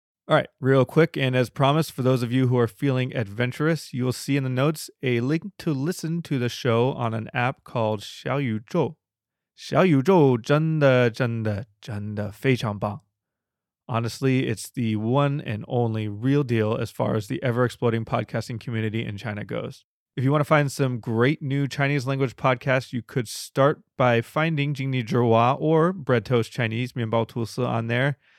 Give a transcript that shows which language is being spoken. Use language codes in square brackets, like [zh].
[en] Alright, real quick, and as promised, for those of you who are feeling adventurous, you will see in the notes a link to listen to the show on an app called 小宇宙。 [zh] 小宇宙真的真的真的非常棒。 [en] Honestly, it's the one and only real deal as far as the ever-exploding podcasting community in China goes. If you want to find some great new Chinese language podcasts, you could start by finding 井底之蛙or Bread Toast Chinese 面包吐司on there.